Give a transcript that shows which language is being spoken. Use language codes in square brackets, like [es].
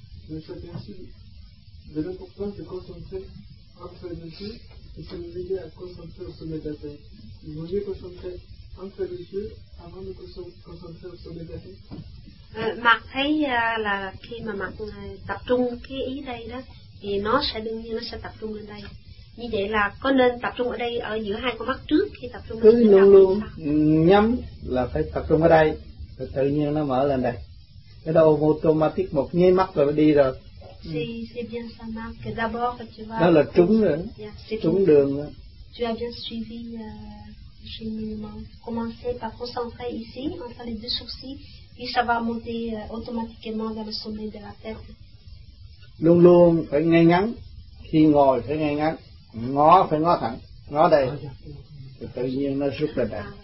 [fr] Je s'aperçu de l'importance de concentrer entre les yeux et se réveiller à concentrer au sommet de la tête. Il vaut mieux concentrer entre les yeux avant de concentrer au sommet de la tête. [vi] Marc, thấy là khi mà Marc tập trung cái ý đây đó, thì nó sẽ đương nhiên nó sẽ tập trung lên đây. Như vậy là có nên tập trung ở đây ở giữa hai con mắt trước khi tập trung? Cứ luôn luôn nhắm là phải tập trung ở đây, rồi tự nhiên nó mở lên đây. Cái đầu [en] automatic [vi] một nháy mắt rồi đi rồi. [fr] C'est bien ça, Marc. D'abord, tu vas... [vi] Đó là trúng rồi. Yeah, trúng [fr] bien. [vi] Đường rồi. [fr] Tu as bien suivi le cheminement. Commencez par concentrer ici, entre les deux sourcils, puis ça va monter automatiquement vers le sommet de la tête. [vi] luôn luôn phải ngay ngắn, khi ngồi phải ngay ngắn, ngó phải ngó thẳng, ngó đây, thì tự nhiên nó rút ra đây.